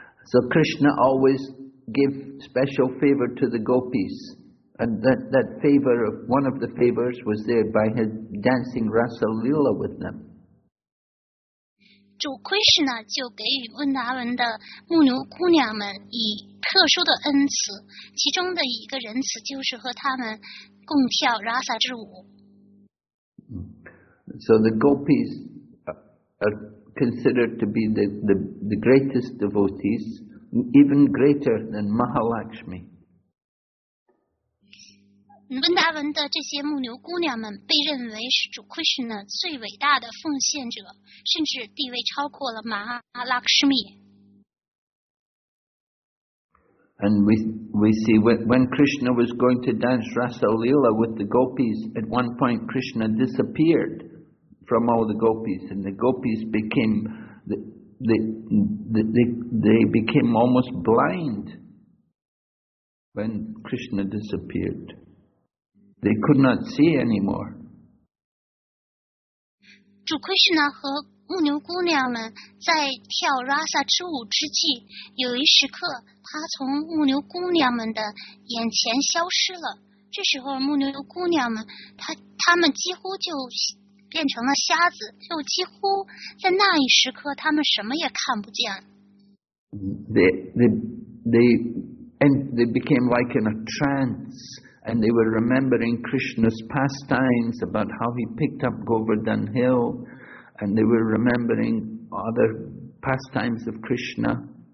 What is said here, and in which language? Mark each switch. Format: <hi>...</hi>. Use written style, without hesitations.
<en>So Krishna always gave special favor to the gopis, and that favor, one of the favors, was there by his dancing Rasa Lila with them.</en> <zh>主 Krishna 就给予温达文的母牛姑娘们以特殊的恩赐，其中的一个仁慈就是和他们</zh> <en>So the gopis are considered to be the greatest devotees, even greater than Mahalakshmi.</en> <zh>温达文的这些牧牛姑娘们被认为是主库什纳最伟大的奉献者，甚至地位超过了马哈拉克什米。</zh> <en>And we see when Krishna was going to dance Rasa Leela with the gopis, at one point Krishna disappeared from all the gopis, and the gopis became they became almost blind when Krishna disappeared. They could not see anymore.</en> <zh>主 Krishna 和牧牛姑娘们在跳 Rasa 之舞之际，有一时刻，他从牧牛姑娘们的眼前消失了。这时候，牧牛姑娘们，他们几乎就变成了瞎子，就几乎在那一时刻，他们什么也看不见。</zh> <en>They became like in a trance, and they were remembering Krishna's pastimes about how he picked up Govardhan Hill. And they were remembering other pastimes of Krishna.</en>